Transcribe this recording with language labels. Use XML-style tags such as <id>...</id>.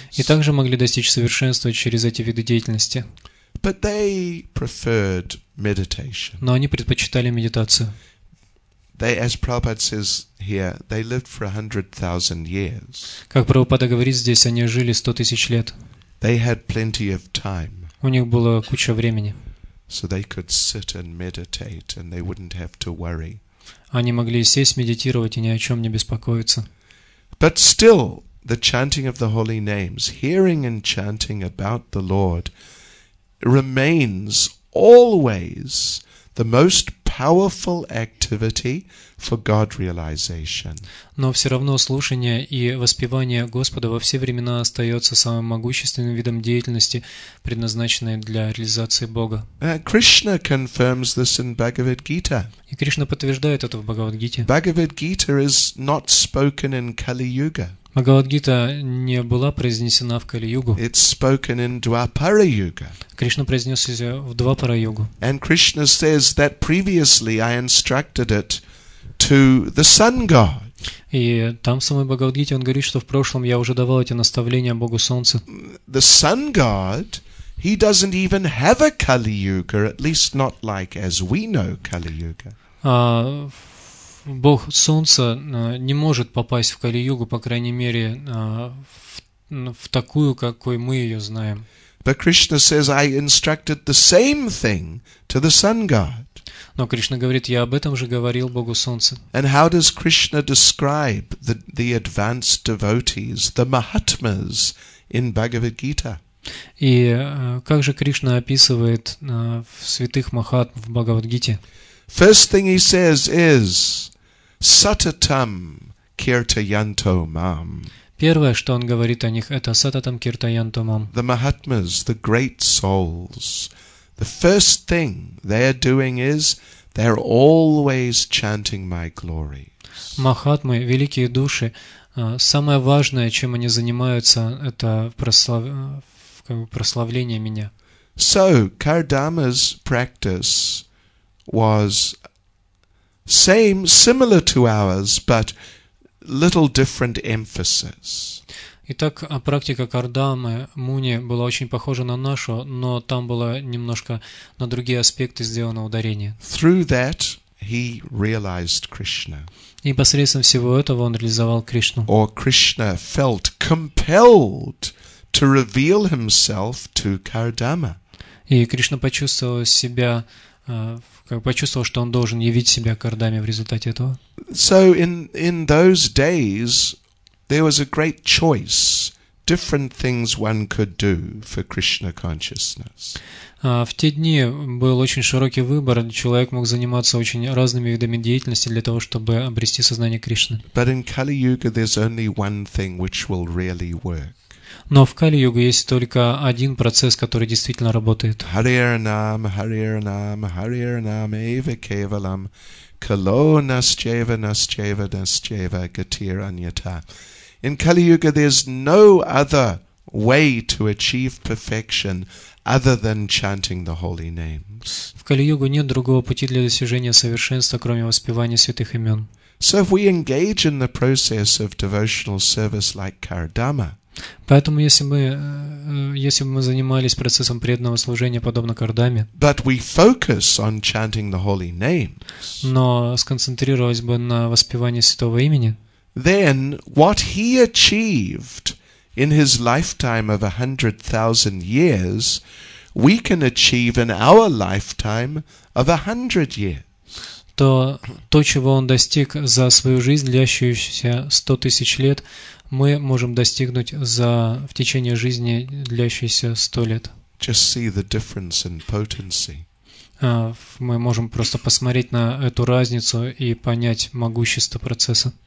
<ru>И также могли достичь совершенства через эти виды деятельности.</ru> <en>But they preferred meditation.</en> <ru>Но они предпочитали медитацию.</ru> <en>They, as Prabhupada says here, they lived for 100,000 years.</en> <ru>Как Прабхупада говорит здесь, они жили 100,000 лет.</ru> <en>They had plenty of time.</en> <ru>У них было куча времени.</ru> <en>So they could sit and meditate, and they wouldn't have to worry.</en> <ru>Они могли сесть, медитировать и ни о чем не беспокоиться.</ru> <en>But still, the chanting of the holy names, hearing and chanting about the Lord, remains always the most powerful activity for God realization.</en> <ru>Но все равно слушание и воспевание Господа во все времена остается самым могущественным видом деятельности, предназначенной для реализации Бога.</ru> <en>Krishna confirms this in Bhagavad Gita.</en> <ru>И Кришна подтверждает это в Бхагавад-гите.</ru> <en>Bhagavad Gita is not spoken in Kali Yuga.</en> <ru>Бхагавад-гита не была произнесена в Кали-югу.</ru> <en>It's spoken in Dwapara-yuga.</en> <ru>Кришна произнес ее в Двапара-югу.</ru> <en>And Krishna says that previously I instructed it to the sun god.</en> <ru>И там в самой Бхагавад-гите он говорит, что в прошлом я уже давал эти наставления Богу Солнцу.</ru> <en>The sun god, he doesn't even have a Kali-yuga, at least not like as we know Kali-yuga.</en> <ru>Бог Солнца не может попасть в Кали-югу, по крайней мере, в такую, какой мы ее знаем.</ru> <en>But Krishna says, I instructed the same thing to the sun god.</en> <ru>Но Кришна говорит, я об этом же говорил Богу Солнца.</ru> <en>And how does Krishna describe the advanced devotees, the mahatmas in Bhagavad Gita?</en> <ru>И как же Кришна описывает святых махатм в Бхагавад-гите?</ru> <en>First thing he says is</en> <sa>Сататам киртаянто мам.</sa> <ru>Первое, что он говорит о них, это</ru> <sa>сататам киртаянто мам.</sa> <en>The mahatmas, the great souls. The first thing they are doing is they are always chanting my glory.</en> <ru>Махатмы, великие души, самое важное, чем они занимаются, это прославление меня.</ru> <en>So Kardama's practice was same, similar to ours, but little different emphasis.</en> <ru>Итак, практика Кардамы Муни была очень похожа на нашу, но там было немножко на другие аспекты сделано ударение.</ru> <en>Through that he realized Krishna.</en> <ru>И посредством всего этого он реализовал Кришну.</ru> <en>Or Krishna felt compelled to reveal himself to Кардама.</en> <ru>И Кришна почувствовал себя почувствовал, что он должен явить себя Кардаме в результате этого.</ru> <en>So in those days there was a great choice, different things one could do for Krishna consciousness.</en> <ru>В те дни был очень широкий выбор, человек мог заниматься очень разными видами деятельности для того, чтобы обрести сознание Кришны.</ru> <en>But in Kali Yuga there's only one thing which will really work.</en> <ru>Но в Кали-юге есть только один процесс, который действительно работает.</ru> <sa>Хариранам, Хариранам, Хариранам, Эйва Кевалам, Кало Насчева, Насчева, Насчева, Гатираньята.</sa> <en>In Kali-yuga, there's no other way to achieve perfection other than chanting the holy names.</en> <ru>В Кали-юге нет другого пути для достижения совершенства, кроме воспевания святых имен.</ru> <en>So if we engage in the process of devotional service like Kardama,</en> <ru>поэтому если бы мы занимались процессом преданного служения подобно Кардаме,</ru> <en>but we focus on chanting the holy names,</en> <ru>но сконцентрировались бы на воспевании святого имени,</ru> <en>then what he achieved in his lifetime of 100,000 years we can achieve in our lifetime of 100 years.</en> <ru>То, чего он достиг за свою жизнь, длящуюся 100,000 лет, мы можем достигнуть в течение жизни, длящейся 100 лет.</ru> <en>Just see the difference in potency.</en> <ru>Мы можем просто посмотреть на эту разницу и понять могущество процесса.</ru>